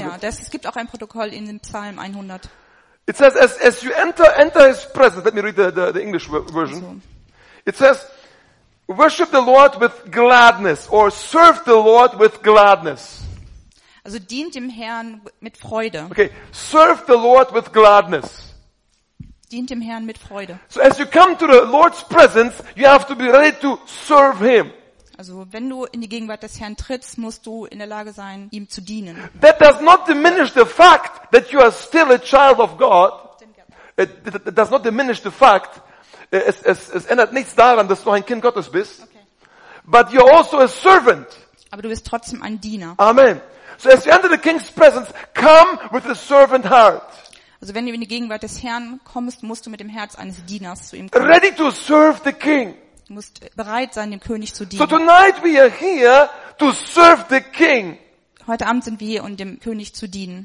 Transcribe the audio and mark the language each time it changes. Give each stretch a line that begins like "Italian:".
German: Ja, es gibt auch ein Protokoll in dem Psalm 100.
English: It says as you enter his presence. Let me read the English version. It says, worship the Lord with gladness or serve the Lord with gladness.
German: Also dient dem Herrn mit Freude.
English: Okay, serve the Lord with gladness.
German: Dient dem Herrn mit Freude.
English: So as you come to the Lord's presence, you have to be ready to serve him.
German: Also wenn du in die Gegenwart des Herrn trittst, musst du in der Lage sein, ihm zu dienen.
English: That does not diminish the fact that you are still a child of God. It does not diminish the fact.
German: Es ändert nichts daran, dass du ein Kind Gottes bist.
English: Okay. But you're also a servant.
German: Aber du bist trotzdem ein Diener.
English: Amen. So as you enter the king's presence, come with a servant heart.
German: Also wenn du in die Gegenwart des Herrn kommst, musst du mit dem Herz eines Dieners zu ihm kommen.
English: Ready to serve the king.
German: Du musst bereit sein, dem König zu dienen.
English: So tonight we are here to serve the king.
German: Heute Abend sind wir hier, um dem König zu dienen.